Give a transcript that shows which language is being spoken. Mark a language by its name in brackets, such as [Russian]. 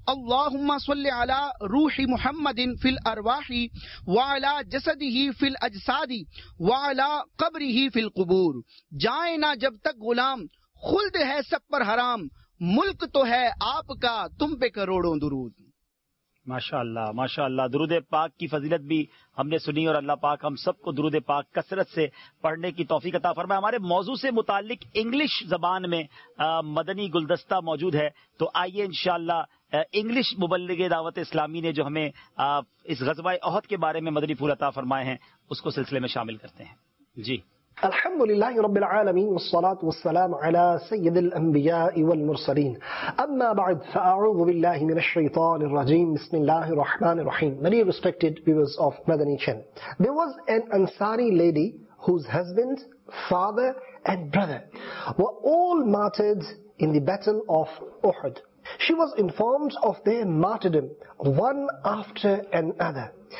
[Arabic] اللهم صل على روح محمد في الارواح وعلى جسده في الاجساد وعلى قبره في القبور. [Urdu] جائے نہ جب تک غلام، خلد ہے سب پر حرام، ملک تو ہے آپ کا، تم پہ کروڑوں درود. ماشاءاللہ ماشاءاللہ، درود پاک کی فضیلت بھی ہم نے سنی، اور اللہ پاک ہم سب کو درود پاک کثرت سے پڑھنے کی توفیق عطا فرمائے. ہمارے موضوع سے متعلق انگلش زبان میں مدنی گلدستہ موجود ہے، تو آئیے انشاءاللہ انگلش مبلغ دعوت اسلامی نے جو ہمیں اس غزوہ احد کے بارے میں مدنی پھول عطا فرمائے ہیں اس کو سلسلے میں شامل کرتے ہیں. جی، [Arabic] الحمد لله رب العالمين والصلاة والسلام على سيد الأنبياء والمرسلين، أما بعد فأعوذ بالله من الشيطان الرجيم، بسم الله الرحمن الرحيم. [English] Many respected viewers of Madani Channel, there was an Ansari lady whose husband, father and brother were all martyred in the battle of Uhud. She was informed of their martyrdom one after another.